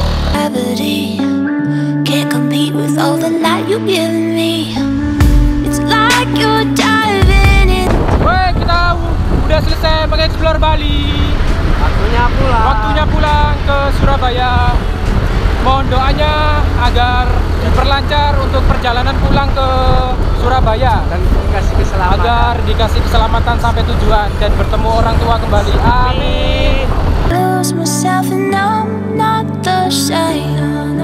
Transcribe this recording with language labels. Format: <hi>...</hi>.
<en>Gravity can't compete with all the light you give me. It's like you're diving in.</en> <id>Wey, kita udah selesai mengeksplor Bali. Waktunya pulang. Waktunya pulang ke Surabaya. Mohon doanya agar diperlancar untuk perjalanan pulang ke Surabaya dan dikasih keselamatan. Agar dikasih keselamatan sampai tujuan dan bertemu orang tua kembali. Amin.</id> <en>Lose myself and I'm not the same.</en>